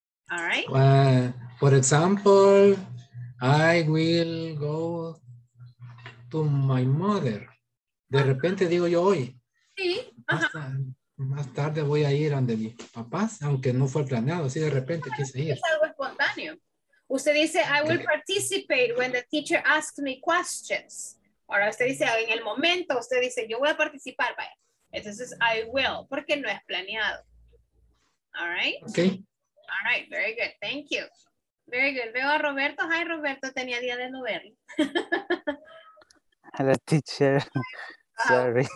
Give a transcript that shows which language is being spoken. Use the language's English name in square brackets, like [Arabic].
[English] All right. For example, I will go to my mother. [Spanish] De repente digo yo hoy. Sí. Más tarde voy a ir donde mis papás, aunque no fue planeado. Sí, de repente quise ir. Es algo espontáneo. Usted dice, [English] I will participate when the teacher asks me questions. [Spanish] Ahora usted dice, en el momento, usted dice, yo voy a participar. Vaya. Entonces, I will, porque no es planeado. All right. [English] Okay. All right, very good, thank you. Very good, [Spanish] veo a Roberto. Hi, Roberto, tenía día de no verlo. [English] Hello, teacher. Sorry.